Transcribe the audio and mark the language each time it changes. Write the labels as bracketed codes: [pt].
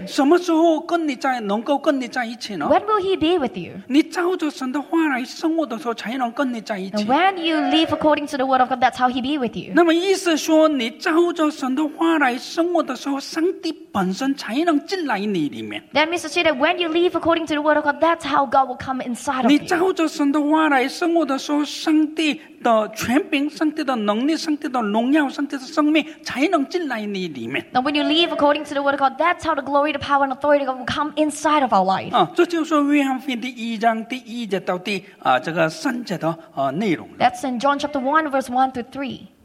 [zh] 什么时候跟你在, 能够跟你在一起呢? [en] When will He be with you? [zh] 你照着神的话来生活的时候才能跟你在一起。 [en] And when you live according to the word of God, that's how He be with you. [zh] 那么意思说, 你照着神的话来生活的时候, 上帝本身才能进来你里面。 [en] That means to say that when you live according to the word of God, that's how God will come inside of [zh] 你照着神的话来生活的时候, 上帝 的权柄，上帝的能力，上帝的荣耀，上帝的生命才能进来你里面。 [en] Now when you live according to the word of God, that's how the glory, the power, and authority of God will come inside of our life. [zh] 这就是约翰福音第一章第一节到第这个三节的内容。 [en] That's in John chapter 1 verse 1 to 3.